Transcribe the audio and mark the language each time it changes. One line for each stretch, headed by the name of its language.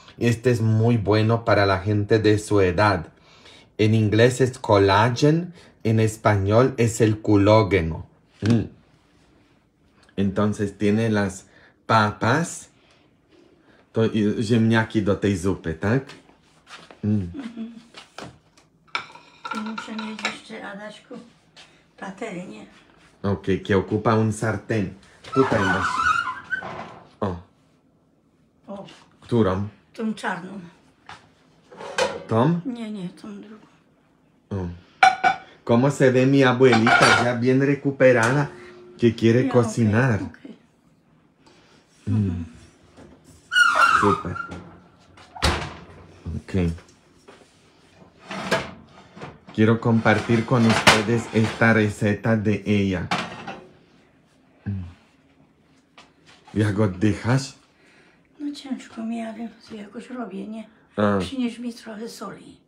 Spanish: Este es muy bueno para la gente de su edad. En inglés es collagen, en español es el culógeno. Entonces tiene las papas.
Polish: Ziemniaki do tej zupy, tak? Muszę mieć jeszcze, Adaśku, patelnię. Okay, que ocupa un sartén. Tutaj masz. O, Którą? tą czarną. Tom? Nie, tą drugą.
Spanish: ¿Cómo se ve mi abuelita ya bien recuperada que quiere
Polish: Ja,
Spanish: cocinar?
Polish: okej.
Spanish: Súper.
English: Okay.
Spanish: Quiero compartir con ustedes esta receta de ella.
Polish: ¿Ya oddychasz? Ciężko mi, ale jakoś robię, nie? Ah. Przynieś mi trochę soli.